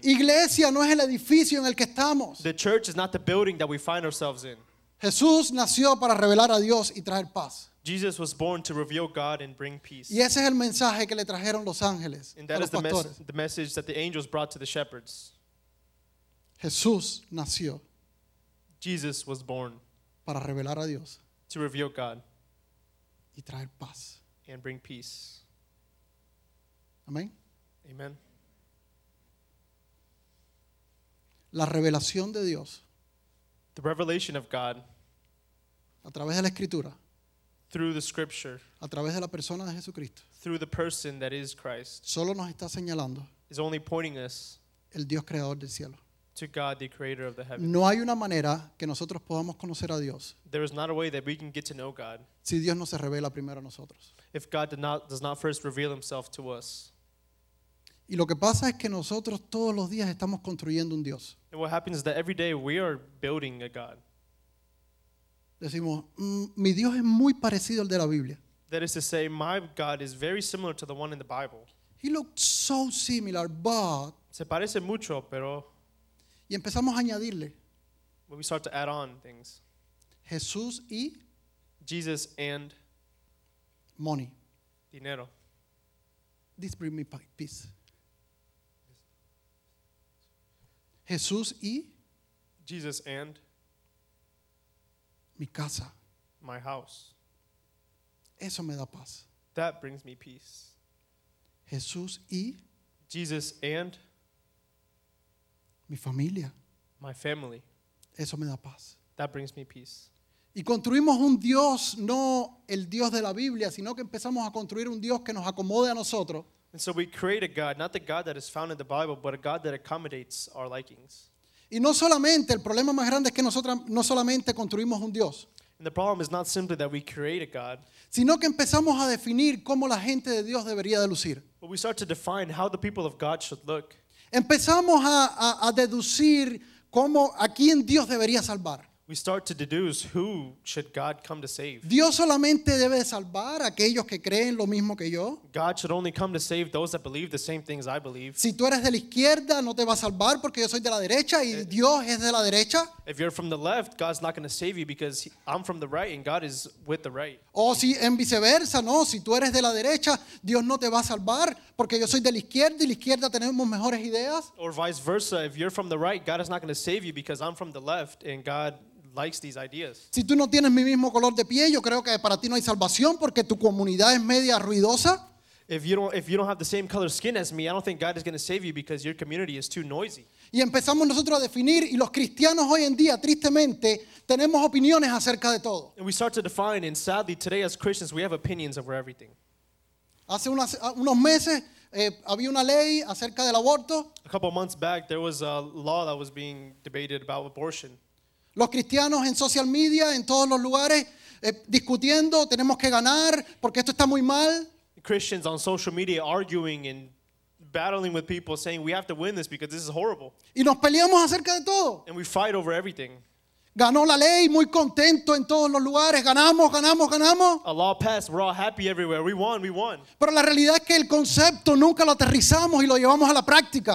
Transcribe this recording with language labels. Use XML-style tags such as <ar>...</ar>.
<es>Iglesia no es el edificio en el que estamos.</es> <en>The church is not the building that we find ourselves in.</en> <es>Jesús nació para revelar a Dios y traer paz.</es> <en>Jesus was born to reveal God and bring peace.</en> <es>Y ese es el mensaje que le trajeron los ángeles a los pastores.</es> <en>And that is the message that the angels brought to the shepherds.</en> <es>Jesús nació.</es> <en>Jesus was born</en> <es>para revelar a Dios,</es> <en>to reveal God</en> <es>y traer paz,</es> <en>and bring peace.</en> <es>Amen.</es> <en>Amen.</en> <es>La revelación de Dios,</es> <en>the revelation of God,</en> <es>a través de la escritura,</es> <en>through the scripture,</en> <es>a través de la persona de Jesucristo,</es> <en>through the person that is Christ,</en> <es>solo nos está señalando,</es> <en>is only pointing us,</en> <es>el Dios creador del cielo.</es> <en>To God, the creator of the heavens.</en> <es>No hay una manera que nosotros podamos conocer a Dios.</es> <en>There is not a way that we can get to know God.</en> <es>Si Dios no se revela primero a nosotros.</es> <en>If God does not first reveal himself to us.</en> <es>Y lo que pasa es que nosotros todos los días estamos construyendo un Dios.</es> <en>And what happens is that every day we are building a God.</en> <es>Decimos, mi Dios es muy parecido al de la Biblia.</es> <en>That is to say, my God is very similar to the one in the Bible. He looked so similar, but...</en> <es>Se parece mucho, pero... Y empezamos a añadirle.</es> <en>When we start to add on things.</en> <es>Jesús y.</es> <en>Jesus and. Money.</en> <es>Dinero.</es> <en>This brings me peace.</en> <es>Jesús y.</es> <en>Jesus and.</en> <es>Mi casa.</es> <en>My house.</en> <es>Eso me da paz.</es> <en>That brings me peace.</en> <es>Jesús y.</es> <en>Jesus and.</en> <es>Mi familia.</es> <en>My family.</en> <es>Eso me da paz.</es> <en>That brings me peace.</en> <es>Y construimos un Dios, no el Dios de la Biblia, sino que empezamos a construir un Dios que nos acomode a nosotros.</es> <en>And so we create a God, not the God that is found in the Bible, but a God that accommodates our likings.</en> <es>Y no solamente, el problema más grande es que nosotros no solamente construimos un Dios.</es> <en>And the problem is not simply that we create a God.</en> <es>Sino que empezamos a definir cómo la gente de Dios debería de lucir.</es> <en>But we start to define how the people of God should look.</en> <es>Empezamos a deducir cómo, a quién Dios debería salvar.</es> <en>We start to deduce who should God come to save.</en> <es>Dios solamente debe salvar a aquellos que creen lo mismo que yo.</es> <en>God should only come to save those that believe the same things I believe.</en> <es>Si tú eres de la izquierda, no te va a salvar porque yo soy de la derecha y Dios es de la derecha.</es> <en>If you're from the left, God's not going to save you because I'm from the right and God is with the right.</en> <es>O si en viceversa, no. Si tú eres de la derecha, Dios no te va a salvar porque yo soy de la izquierda y la izquierda tenemos mejores ideas.</es> <en>Or vice versa, if you're from the right, God is not going to save you because I'm from the left and God likes these ideas.</en> <es>Si tú no tienes mi mismo color de piel, yo creo que para ti no hay salvación porque tu comunidad es media ruidosa.</es> <en>If you don't have the same color skin as me, I don't think God is going to save you because your community is too noisy.</en> <es>Y empezamos nosotros a definir, y los cristianos hoy en día, tristemente, tenemos opiniones acerca de todo.</es> <en>And we start to define, and sadly, today as Christians, we have opinions over everything.</en> <es>Hace unos meses había una ley acerca del aborto.</es> <en>A couple of months back, there was a law that was being debated about abortion.</en> <es>Los cristianos en social media, en todos los lugares, discutiendo, tenemos que ganar, porque esto está muy mal.</es> <en>Christians on social media arguing and battling with people saying we have to win this because this is horrible.</en> <es>Y nos peleamos acerca de todo.</es> <en>And we fight over everything.</en> <es>Ganó la ley, muy contento en todos los lugares. Ganamos, ganamos, ganamos.</es> <en>A law passed, we're all happy everywhere. We won, we won.</en> <es>Pero la realidad es que el concepto nunca lo aterrizamos y lo llevamos a la práctica.</es>